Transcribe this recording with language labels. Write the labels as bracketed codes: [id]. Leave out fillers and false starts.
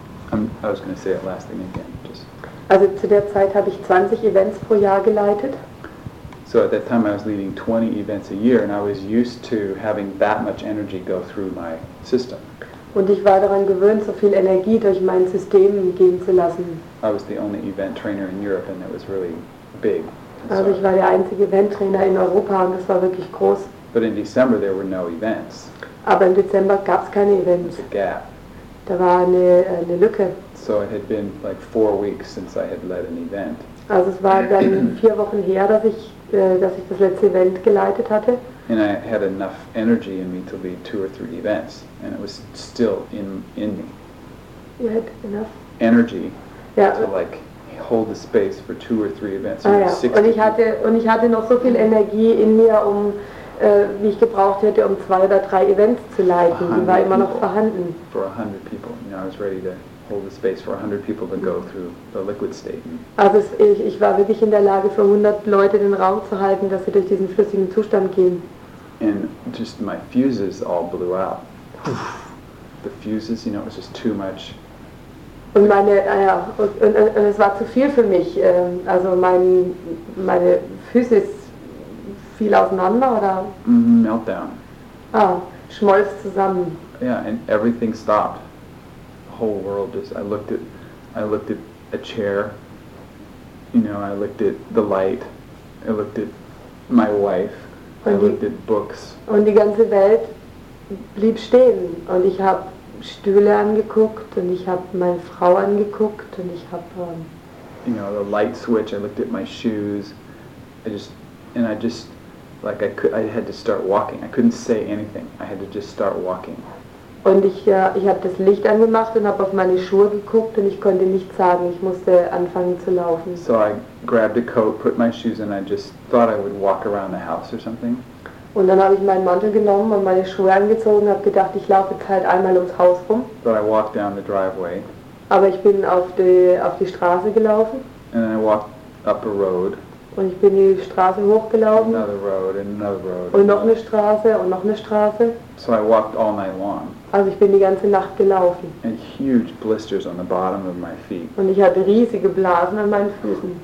[en] I was going to say that last thing again. Just. [de] Also zu der Zeit habe ich 20 Events pro Jahr geleitet. [en] So at that time I was leading 20 events a year and I was used to having that much energy go through my system. [de] Und ich war daran gewöhnt, so viel Energie durch mein System gehen zu lassen. [en] I was the only event trainer in Europe and that was really big. [de] Also ich war der einzige Eventtrainer in Europa und das war wirklich groß. [en] But in December there were no events. [de] Aber im Dezember gab es keine Events. [en] There was a gap. [de] Da war eine Lücke. [en] So it had been like 4 weeks since I had led an event. [de] Also es war dann 4 Wochen her, dass ich das letzte Event geleitet hatte. [en] And I had enough energy in me to lead 2 or 3 events, and it was still in me. You had enough energy yeah. to like hold the space for 2 or 3 events. [de] Ah, ja. Und ich hatte noch so viel Energie in mir, um wie ich gebraucht hätte, um 2 oder 3 Events zu leiten. Die war immer noch vorhanden. [en] For 100 people, you know, I was ready to hold the space for 100 people to go through the liquid state. [de] Also ich war wirklich in der Lage, für 100 Leute den Raum zu halten, dass sie durch diesen flüssigen Zustand gehen. [en] And just my fuses all blew out. The fuses, you know, it was just too much. [de] Und es war zu viel für mich. Also meine Physis fiel auseinander, oder? [en] Meltdown. [de] Ah, schmolz zusammen. [en] Yeah, and everything stopped. Whole world just I looked at a chair, you know, I looked at the light, I looked at my wife, [de] und [en] I looked at books. [de] Und die ganze Welt blieb stehen und ich habe Stühle angeguckt und ich habe meine Frau angeguckt und ich habe [en] you know, the light switch, I looked at my shoes, I had to start walking. I couldn't say anything. I had to just start walking. [de] Und ich habe das Licht angemacht und habe auf meine Schuhe geguckt und ich konnte nichts sagen. Ich musste anfangen zu laufen. [en] So I grabbed a coat, put my shoes in, I just thought I would walk around the house or something. [de] Und dann habe ich meinen Mantel genommen und meine Schuhe angezogen und habe gedacht, ich laufe jetzt halt einmal ums Haus rum. [en] But I walked down the driveway. [de] Aber ich bin auf die Straße gelaufen. [en] And then I walked up a road. [de] Und ich bin die Straße hochgelaufen. [en] Another road, and another road. [de] Und noch eine Straße und noch eine Straße. [en] So I walked all night long. [de] Also ich bin die ganze Nacht gelaufen. [en] And huge blisters on the bottom of my feet. [de] Und ich hatte riesige Blasen an meinen Füßen.